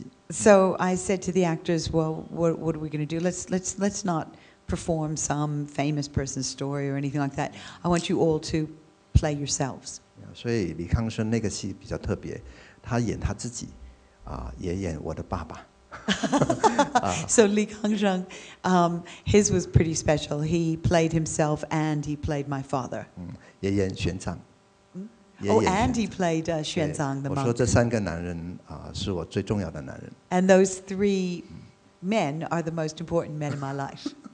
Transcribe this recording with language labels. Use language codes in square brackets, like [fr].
[en] So I said to the actors, well, what are we going to do? Let's not perform some famous person's story or anything like that. I want you all to play yourselves. Yeah, [zh] 所以李康生那个戏比较特别，他演他自己，也演我的爸爸。 [en] So Li Kangsheng, his was pretty special. He played himself and he played my father. [zh] 也演玄奘。 [en] Oh, and he played Xuanzang, the monk. [zh] 我说这三个男人是我最重要的男人。 [en] And those three men are the most important men in my life.